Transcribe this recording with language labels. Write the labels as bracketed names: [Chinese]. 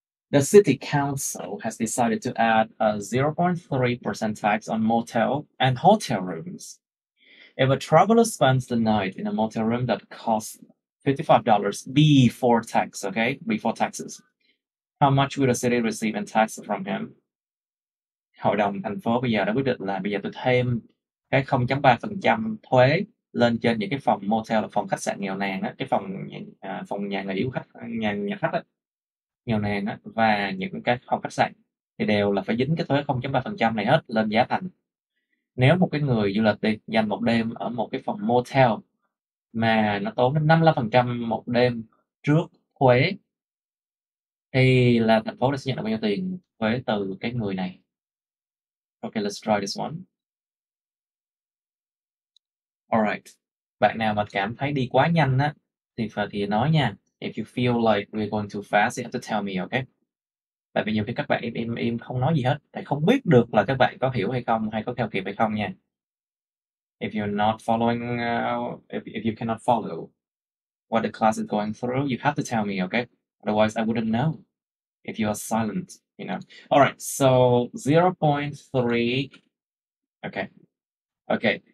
[English] The city council has decided to add a 0.3% tax on motel and hotel rooms. If a traveler spends the night in a motel room that costs $55 before tax, okay? Before taxes. How much will the city receive in tax from him? [Vietnamese] Hội đồng thành phố bây giờ đã quyết định là bây giờ tôi thêm cái 0.3% thuế lên trên những cái phòng motel là phòng khách sạn nghèo nàn á, cái phòng phòng nhà nghỉ khách nhà khách á nghèo nàn á, và những cái phòng khách sạn thì đều là phải dính cái thuế 0.3% này hết lên giá thành. Nếu một cái người du lịch đi dành một đêm ở một cái phòng motel mà nó tốn đến 55% một đêm trước thuế thì là thành phố sẽ nhận được bao nhiêu tiền thuế từ cái người này. [English] Okay, let's try this one. All right. [Vietnamese] Bạn nào mà cảm thấy đi quá nhanh á thì phải thì nói nha. [English] If you feel like we're going too fast, you have to tell me, okay? [Vietnamese] Tại vì nhiều khi các bạn em không nói gì hết, tại không biết được là các bạn có hiểu hay không hay có theo kịp hay không nha. [English] If you're not following, if you cannot follow what the class is going through, you have to tell me, okay? Otherwise, I wouldn't know if you are silent, you know. All right, so 0.3. Okay.